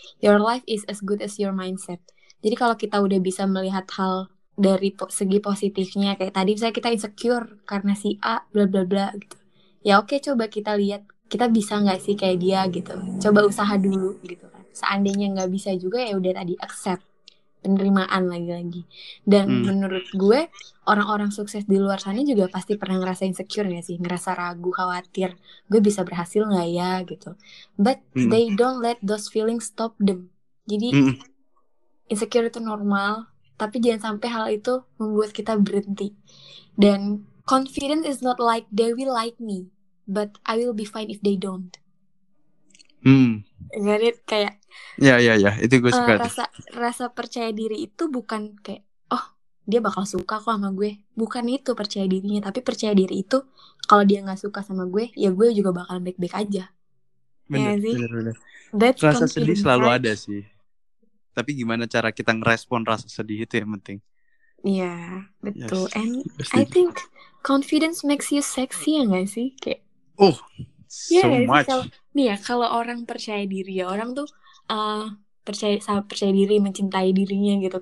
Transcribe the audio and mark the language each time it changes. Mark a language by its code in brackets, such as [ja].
[en] Your life is as good as your mindset. [id] Jadi kalau kita udah bisa melihat hal dari segi positifnya, kayak tadi misalnya kita insecure karena si A bla bla bla gitu. Ya okay, coba kita lihat, kita bisa gak sih kayak dia gitu. Coba usaha dulu gitu kan. Seandainya gak bisa juga ya udah tadi accept. Penerimaan lagi-lagi. Dan menurut gue, orang-orang sukses di luar sana juga pasti pernah ngerasa insecure ya sih. Ngerasa ragu, khawatir. Gue bisa berhasil gak ya gitu. [en] But they don't let those feelings stop them. [id] Jadi insecure itu normal. Tapi jangan sampai hal itu membuat kita berhenti. [en] Dan confidence is not like they will like me, but I will be fine if they don't. Get it? Kayak. [id] Ya. Itu gue suka. Rasa percaya diri itu bukan kayak, oh dia bakal suka kok sama gue. Bukan itu percaya dirinya. Tapi percaya diri itu, kalau dia gak suka sama gue, ya gue juga bakal baik-baik aja. Bener. That's rasa sedih right? Selalu ada sih. Tapi gimana cara kita ngerespon rasa sedih itu yang penting. Iya, betul. Yes. [en] And I think confidence makes you sexy ya gak sih? [id] Kayak, [en] so much. [id] Nih ya, kalau orang percaya diri ya, orang tuh percaya diri, mencintai dirinya gitu.